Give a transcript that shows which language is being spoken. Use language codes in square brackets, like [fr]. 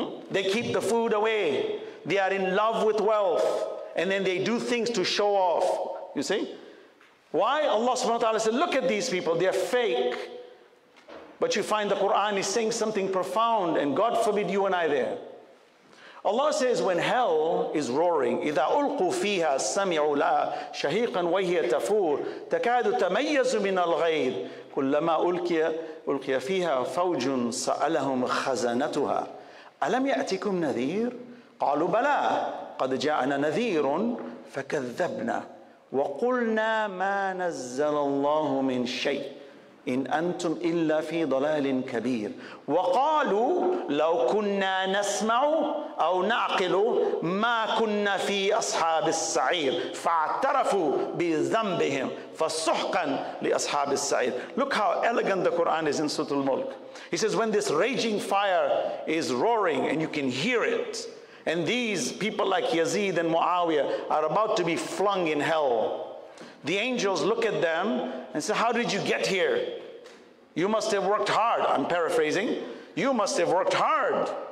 [en] They keep the food away. They are in love with wealth. And then they do things to show off. You see? Why? Allah subhanahu wa ta'ala said, look at these people, they are fake. But you find the Quran is saying something profound, and God forbid you and I there. Allah says, when hell is roaring, [ar] إِذَا أُلْقُوا فِيهَا سَمِعُوا لَا شَهِيقًا وَهِيَ تَفُورُ تَكَادُ تَمَيَّزُ مِنَ الْغَيْرِ كُلَّمَا أُلْقِيَ فِيهَا فَوْجٌ سَأَلَهُمْ خَزَنَتُهَا أَلَمْ يَأْتِكُمْ نَذِيرٌ قَالُوا بَلَى قَدْ جَاءَنَا نَذِيرٌ فَكَذَّبْنَا وَقُلْنَا مَا نَزَّلَ اللَّهُ مِنْ شَيْءٍ إِنْ أَنْتُمْ إِلَّا فِي ضَلَالٍ كَبِيرٍ وَقَالُوا لَوْ كُنَّا نَسْمَعُ أَوْ نَعْقِلُ مَا كُنَّا فِي أَصْحَابِ السَّعِيرِ فَاعْتَرَفُوا بِذَنْبِهِمْ فَصُحْقًا لِأَصْحَابِ السَّعِيرِ [en] Look how elegant the Quran is in Surah Al-Mulk. He says, when this raging fire is roaring and you can hear it, and these people like Yazid and Muawiyah are about to be flung in hell. The angels look at them and say, how did you get here? You must have worked hard. I'm paraphrasing. You must have worked hard.